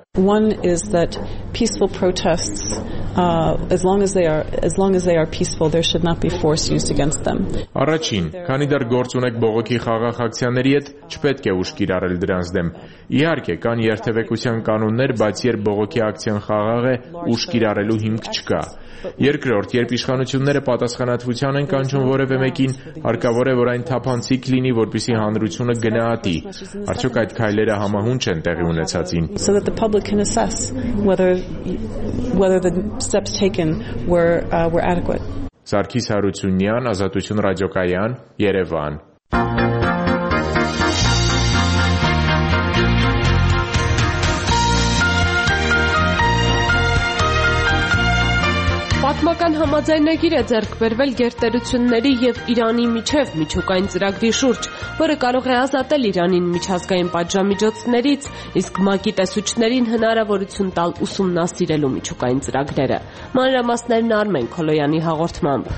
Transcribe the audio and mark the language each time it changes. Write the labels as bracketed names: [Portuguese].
[English] One is that peaceful protests as long as they are peaceful, there should not be force used against them. [Armenian] Առաջին, քանի դեռ գործ ունեք բողոքի խաղաղ ակցիաների հետ, չպետք է ուշ կիրառել դրանց դեմ։ Իհարկե, կան երթևեկության կանոններ, բայց երբ բողոքի ակցիան խաղաղ է, ուշ կիրառելու հիմք չկա։ Երկրորդ, երբ իշխանությունները պատասխանատվության են կանչում որևէ մեկին, հարկավոր է, որ այն թափանցիկ լինի, որպեսզի հանրությունը գնահատի։ Արդյոք այդ քայլերը համահունչ են տեղի ունեցածին։ [English] So that the public can assess whether the steps taken were adequate. [Armenian] Սարգիս Հարությունյան, Ազատություն ռադիոկայան, Երևան։ Պատմական համաձայնագիր է ձեռք բերվել գերտերությունների եւ Իրանի միջև միջուկային ծրագրի շուրջ, որը կարող է ազատել Իրանին միջազգային պատժամիջոցներից, իսկ ՄԱԿ-ի տեսուչներին հնարավորություն տալ ուսումնասիրելու միջուկային ծրագրերը։ Մանրամասներն Արմեն Քոլոյանի հաղորդմամբ։